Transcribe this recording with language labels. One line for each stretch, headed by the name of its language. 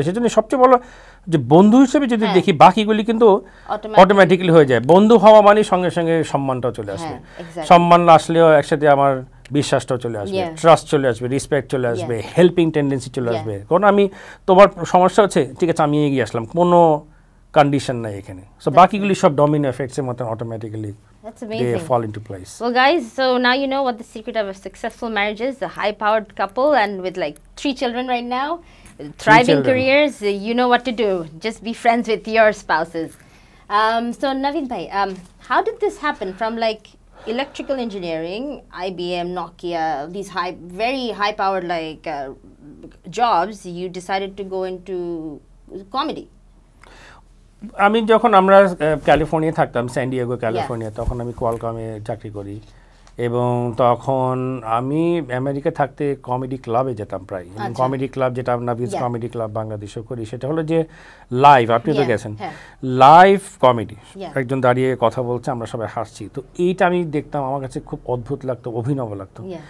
Bangla: সেজন্য সবচেয়ে বড় যে বন্ধু হিসেবে যদি দেখি বাকিগুলি কিন্তু অটোমেটিক্যালি হয়ে যায়, বন্ধু হওয়া মানে সঙ্গে সঙ্গে সম্মানটাও চলে আসবে, সম্মান আসলেও একসাথে আমার বিশ্বাসটাও চলে আসবে, ট্রাস্ট চলে আসবে, রেসপেক্ট চলে আসবে, হেল্পিং টেন্ডেন্সি চলে আসবে, কারণ আমি তোমার সমস্যা হচ্ছে ঠিক আছে আমি এগিয়ে আসলাম, কোনো কন্ডিশন নাই এখানে, সো বাকিগুলি সব ডমিনো এফেক্টসের মতো automatically
English: That's amazing. They fall into place. Well, guys, so now you know what the secret of a successful marriage is, a high-powered couple and with like 3 children right now, thriving careers, you know what to do. Just be friends with your spouses. So, Naveed bhai, how did this happen from like electrical engineering, IBM, Nokia, these high, very high-powered like jobs, you decided to go into comedy?
Bangla: আমি যখন আমরা California থাকতাম, স্যান Diego California, তখন আমি কোয়ালকমে চাকরি করি, এবং তখন আমি আমেরিকা থাকতে কমেডি ক্লাবে যেতাম প্রায়, এবং কমেডি ক্লাব যেটা আমরা নাভিজ কমেডি ক্লাব বাংলাদেশেও করি, সেটা হলো যে লাইভ, আপনি তো গেছেন, লাইভ কমেডি, একজন দাঁড়িয়ে কথা বলছে আমরা সবাই হাসছি, তো এইটা আমি দেখতাম, আমার কাছে খুব অদ্ভুত লাগতো, অভিনব লাগতো।